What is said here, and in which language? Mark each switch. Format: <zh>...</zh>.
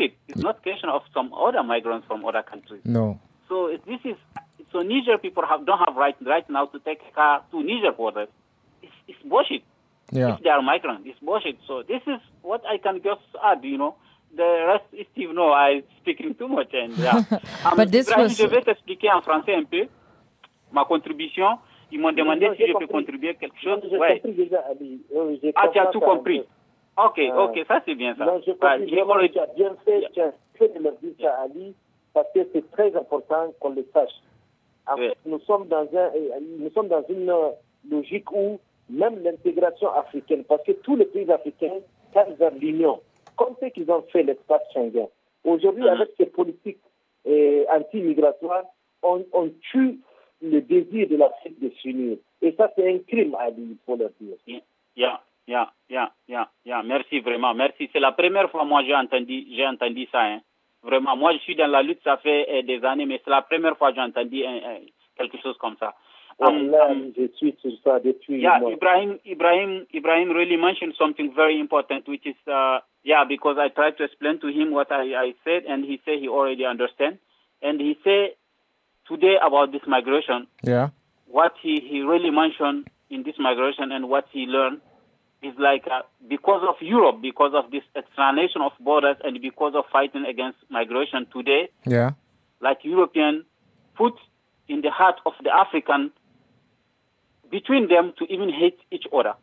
<en>It's not a question of some other migrants from other countries. No. So this is... So Niger people don't have right now to take a car to Niger border. It's bullshit. Yeah. If they are migrants, it's bullshit. So this is what I can just add, you know. The rest is, you know, I'm speaking too much. And but this was...</en> <fr>Je vais t'expliquer en français un peu ma contribution. Ils m'ont demandé si je peux contribuer quelque chose. Non, j'ai compris déjà, Ali. Ah, tu as tout compris. Ok, ok, ça c'est bien ça. Non, j'ai compris vraiment, tu as bien fait, tu as fait de le dire à Ali, parce que c'est très important qu'on le sache. Nous sommes dans une logique où même l'intégration africaine, parce que tous les pays africains tendent vers l'union, comme c'est qu'ils ont fait l'espace Schengen. Aujourd'hui, avec ces politiques anti-migratoires, on tue le désir de l'Afrique de s'unir. Et ça, c'est un crime, Ali, il faut le dire.</fr> <en>Yeah.</en> <fr>Merci vraiment. Merci. C'est la première fois que j'ai entendu ça, hein. Vraiment, moi je suis dans la lutte, ça fait des années, mais c'est la première fois que j'ai entendu quelque chose comme ça. Je suis sur ça depuis.</fr> <en>Yeah, Ibrahim really mentioned something very important, which is, because I tried to explain to him what I said, and he said he already understand. And he said today about this migration, what he really mentioned in this migration and what he learned, is like because of Europe, because of this explanation of borders and because of fighting against migration today, like European put in the heart of the African between them to even hate each other.</en>